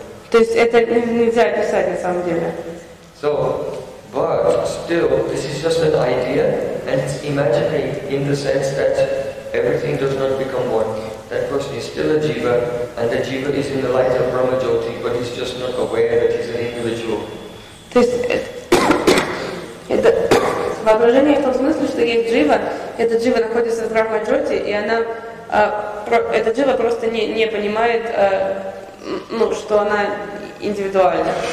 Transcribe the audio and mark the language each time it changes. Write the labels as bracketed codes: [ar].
[ru] То есть это нельзя описать на самом деле. [en] So, but still, this is just an idea, and it's imaginary in the sense that everything does not become one. That person is still a jiva, and the jiva is in the light of Brahma Jyoti, but he's just not aware that he's an individual. [ru] This это воображение в том смысле, что есть джива, эта джива находится в Брахма Джоти, и она эта джива просто не понимает, ну, что она индивидуальна.